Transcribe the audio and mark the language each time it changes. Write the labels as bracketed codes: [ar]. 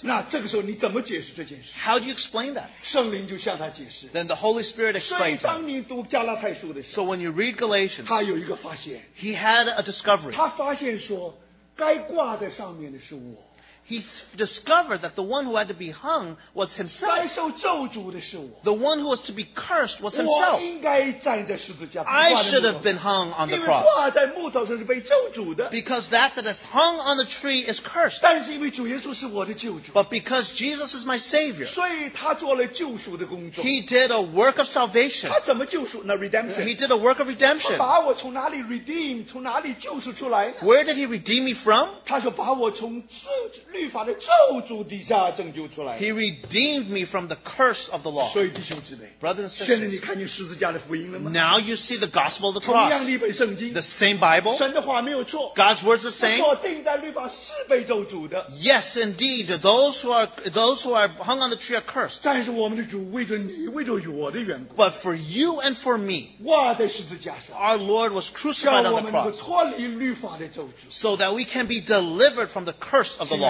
[zh] 那这个时候你怎么解释这件事？ [en] How do you explain that? [zh] 圣灵就向他解释。 [en] Then the Holy Spirit explains. [zh] 所以当你读加拉太书的时候。 [en] So when you read Galatians. [zh] 他有一个发现。 [en] He had a discovery. [zh] 他发现说该挂在上面的是我。 [en] He discovered that the one who had to be hung was himself. [zh] 该受咒诅的是我。 [en] The one who was to be cursed was himself. [zh] 我应该站在十字架。 [en] I should have been hung on the cross. [zh] 因为挂在木头上是被咒诅的。 [en] Because that is hung on the tree is cursed. [zh] 但是因为主耶稣是我的救主。 [en] But because Jesus is my Savior. [zh] 所以他做了救赎的工作。 [en] He did a work of salvation. [zh] 他怎么救赎呢？Redemption. [en] He did a work of redemption. [zh] 他把我从哪里 redeem, 从哪里救赎出来呢？ [en] Where did he redeem me from? [zh] 他说把我从罪律法的咒诅底下拯救出来。 [en] He redeemed me from the curse of the law. [zh] 所以弟兄姊妹 [en] ，brothers and sisters， [zh] 现在你看见十字架的福音了吗 [en] ？Now you see the gospel of the cross. [zh] 同样的一本圣经 [en] ，the same Bible. [zh] 神的话没有错 [en] ，God's words the same. [zh] 错定在律法是被咒诅的。 [en] Yes, indeed, those who are hung on the tree are cursed. [zh] 但是我们的主为着你，为着我的缘故 [en] ，but for you and for me， [zh] 挂在十字架上。 [en] Our Lord was crucified on the cross. [zh] 叫我们能够脱离律法的咒诅 [en] ，so that we can be delivered from the curse of the law.